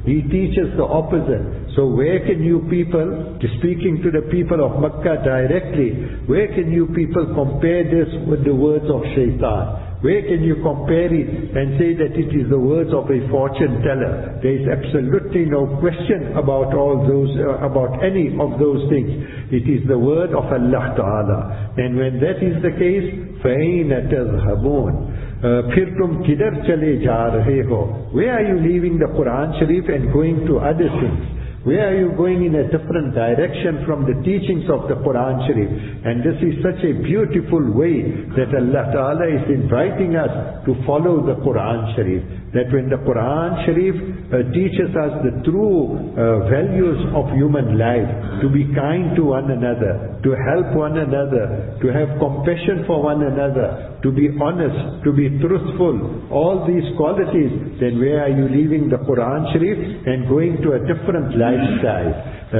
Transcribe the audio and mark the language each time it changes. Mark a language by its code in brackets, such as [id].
[en] He teaches the opposite. So where can you people, speaking to the people of Makkah directly, where can you people compare this with the words of shaitan? Where can you compare it and say that it is the words of a fortune teller? There is absolutely no question about all those, about any of those things. It is the word of Allah Ta'ala. And when that is the case, [ar] فَأَيْنَ تَذْهَبُونَ [ur] پھر تم کدھر چلے جا رہے ہو. [en] Where are you leaving the Quran Sharif and going to other things? Where are you going in a different direction from the teachings of the Quran Sharif? And this is such a beautiful way that Allah Ta'ala is inviting us to follow the Quran Sharif. That when the Quran Sharif teaches us the true values of human life, to be kind to one another, to help one another, to have compassion for one another, to be honest, to be truthful, all these qualities, then where are you leaving the Quran Sharif and going to a different life? lifestyle.